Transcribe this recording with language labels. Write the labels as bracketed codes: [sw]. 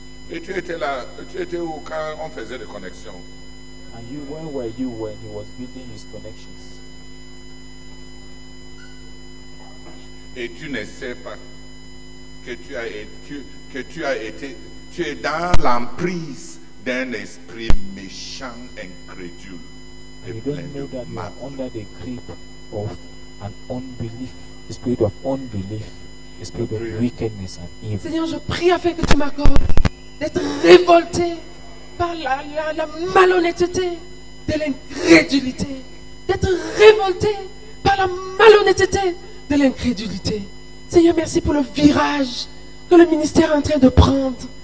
[fr] Et tu étais là. Tu étais où quand on faisait des connexions? [en] And you, when were you when he was building his connections? [fr] Et tu ne sais pas que tu as été, tu es dans l'emprise d'un esprit méchant, incrédule. [en] And you don't know that you are under the grip of an unbelief, the spirit of unbelief, the spirit of wickedness and evil. [fr] Seigneur, je prie afin que tu m'accordes d'être révolté par la malhonnêteté de l'incrédulité, d'être révolté par la malhonnêteté de l'incrédulité. Seigneur, merci pour le virage que le ministère est en train de prendre.